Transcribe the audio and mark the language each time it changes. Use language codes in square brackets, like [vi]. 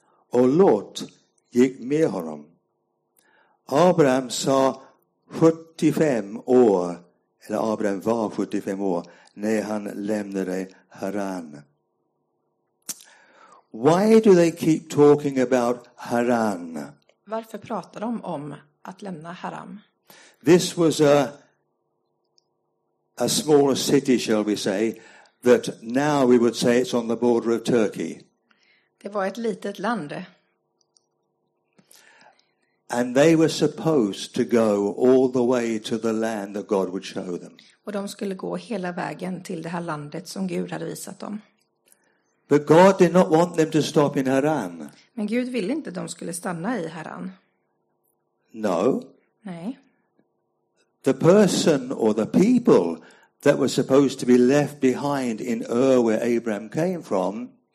[sv] Och Lot gick med honom. Abraham sa 75 år, eller Abraham var 75 år när han lämnade Haran. [en] Why do they keep talking about Haran? [sv] Varför pratar de om att lämna Haran? [en] This was a smaller city, shall we say, that now we would say it's on the border of Turkey. [sv] Det var ett litet land. [en] And they were supposed to go all the way to the land that God would show them. [sv] Och de skulle gå hela vägen till det här landet som Gud hade visat dem. [en] But God did not want them to stop in Haran. [sv] Men Gud ville inte de skulle stanna i Haran. [en] No. [sv] Nej. [en] The person or the people that were supposed to be left behind in Ur where Abraham came from.